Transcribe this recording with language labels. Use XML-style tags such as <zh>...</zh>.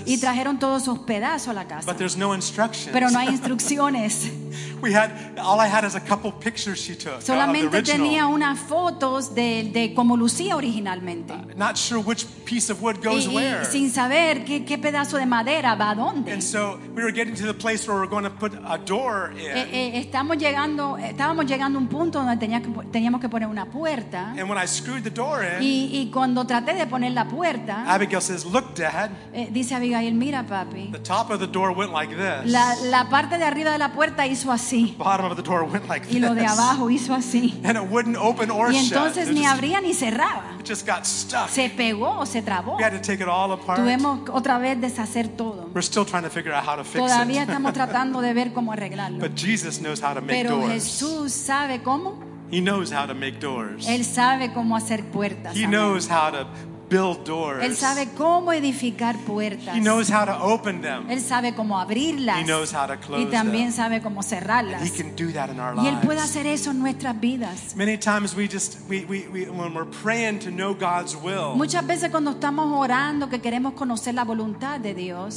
<es>Y trajeron todos esos pedazos a la casa.</es> <en>But there's no instructions.</en> <es>Pero no hay instrucciones.</es> <en>We had all I had is a couple pictures she took.</en> <es>Solamente</es> <en>of the original.</en> <es>Tenía unas fotos de cómo lucía originalmente.</es> <en>Not sure which piece of wood goes</en> <es>y</es> <en>where.</en> <es>Sin saber qué pedazo de madera va a dónde.</es> <en>And so we were getting to the place where we were going to put a door in.</en> <es>Estábamos llegando a un punto donde teníamos que poner una puerta.</es> <en>And when I screwed the door in.</en> <es>Y cuando traté de poner la puerta.</es> <en>Abigail says, "Look, Dad."</en> <es>Dice Abigail, mira, papi.</es> <en>The top of the door went like this.</en> <es>La parte de arriba de la puerta hizo así.</es> <en>The bottom of the door went like</en> <es>y lo de abajo hizo así.</es> <en>And it wouldn't open or</en> <es>y entonces</es> <en>shut.</en> <es>Ni just, abría ni cerraba.</es> <en>It just got stuck.</en> <es>Se pegó, se trabó.</es> <en>We had to take it all apart.</en> <es>Tuvimos otra vez deshacer todo.</es> <en>We're still trying to figure out how to fix</en> <es>todavía</es> <en>it.</en> <es>Estamos tratando de ver cómo arreglarlo.</es> <en>But Jesus knows how to make</en> <es>pero</es> <en>doors.</en> <es>Jesús sabe cómo.</es> <en>He knows how to make doors.</en> <es>Él sabe cómo hacer puertas.</es> <en>He knows how to build doors.</en> <es>Él sabe cómo edificar puertas.</es> <en>He knows how to open them.</en> <es>Él sabe cómo abrirlas.</es> <en>He knows how to close</en> <es>y también</es> <en>them.</en> <es>Sabe cómo cerrarlas.</es> <en>And he can do that in our lives.</en> <es>Y él puede hacer eso en nuestras vidas.</es> <en>Many times we when we're praying to know God's will.</en> <es>Muchas veces cuando estamos orando que queremos conocer la voluntad de Dios.</es>